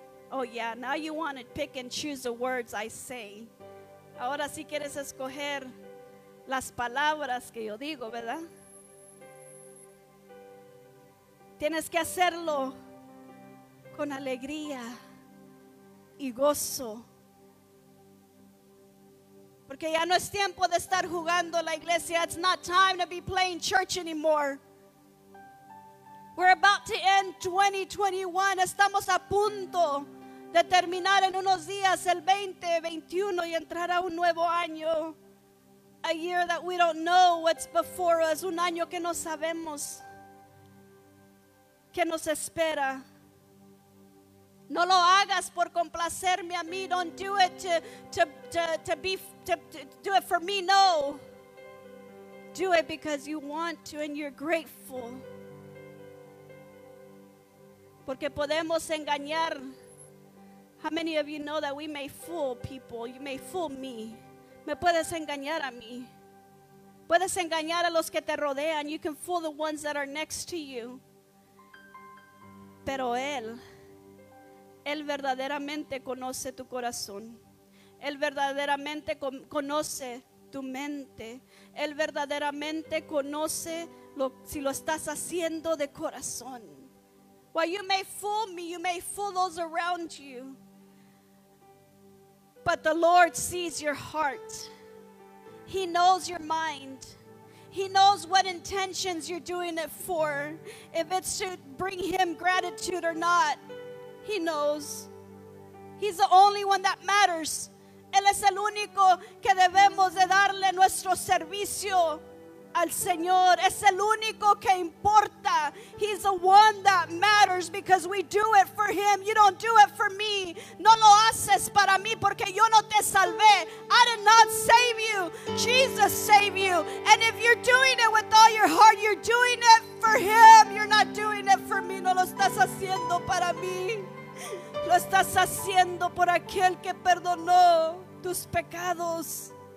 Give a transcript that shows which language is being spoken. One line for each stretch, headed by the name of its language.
English: Oh yeah, now you want to pick and choose the words I say.
Spanish: Ahora sí quieres escoger las palabras que yo digo, ¿verdad? Tienes que hacerlo con alegría y gozo. Porque ya no es tiempo de estar jugando la iglesia.
English: It's not time to be playing church anymore. We're about to end 2021.
Spanish: Estamos a punto de terminar en unos días el 2021 y entrar a un nuevo año.
English: A year that we don't know what's before us.
Spanish: Un año que no sabemos qué nos espera. No lo hagas por complacerme a mí.
English: Don't do it to do it for me. No. Do it because you want to and you're grateful.
Spanish: Porque podemos engañar.
English: How many of you know that we may fool people? You may fool me.
Spanish: Me puedes engañar a mí. Puedes engañar a los que te rodean.
English: You can fool the ones that are next to you.
Spanish: Pero Él verdaderamente conoce tu corazón. Él verdaderamente conoce tu mente. Él verdaderamente conoce si lo estás haciendo de corazón.
English: While you may fool me, you may fool those around you. But the Lord sees your heart. He knows your mind. He knows what intentions you're doing it for. If it's to bring Him gratitude or not. He knows. He's the only one that matters.
Spanish: Él es el único que debemos de darle nuestro servicio al Señor. Es el único que importa.
English: He's the one that matters because we do it for Him. You don't do it for me.
Spanish: No lo haces para mí porque yo no te salvé.
English: I did not save you. Jesus saved you. And if you're doing it with all your heart, you're doing it for Him. You're not doing it for me.
Spanish: No lo estás haciendo para mí. Lo estás haciendo por aquel que perdonó tus pecados.